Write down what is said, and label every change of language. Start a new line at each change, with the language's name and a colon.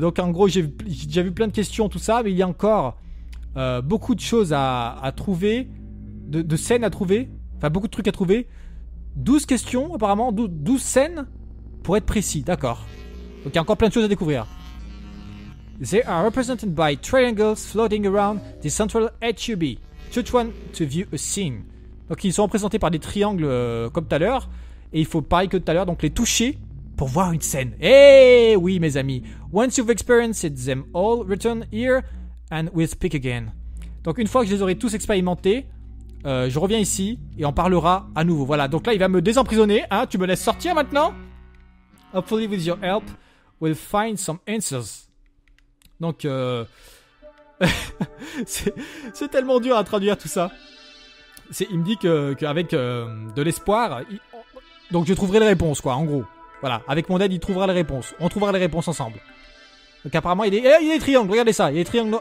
French: Donc en gros, j'ai déjà vu plein de questions, tout ça, mais il y a encore beaucoup de choses à trouver, de scènes à trouver, enfin beaucoup de trucs à trouver. 12 questions apparemment, 12 scènes pour être précis, d'accord. Donc il y a encore plein de choses à découvrir.
English: They are represented by triangles floating around the central HUB. Choose one to view a scene.
French: Donc ils sont représentés par des triangles comme tout à l'heure. Et il faut pareil que tout à l'heure, donc les toucher pour voir une scène. Eh oui mes amis.
English: Once you've experienced them all, return here and we'll speak again.
French: Donc une fois que je les aurai tous expérimentés, je reviens ici et on parlera à nouveau. Voilà, donc là il va me désemprisonner. Hein, tu me laisses sortir maintenant.
English: Hopefully with your help, we'll find some answers.
French: Donc c'est tellement dur à traduire tout ça. Il me dit qu'avec de l'espoir, donc je trouverai les réponses, quoi, en gros. Voilà, avec mon aide, il trouvera les réponses. On trouvera les réponses ensemble. Donc apparemment, il est triangle, regardez ça, il est triangle.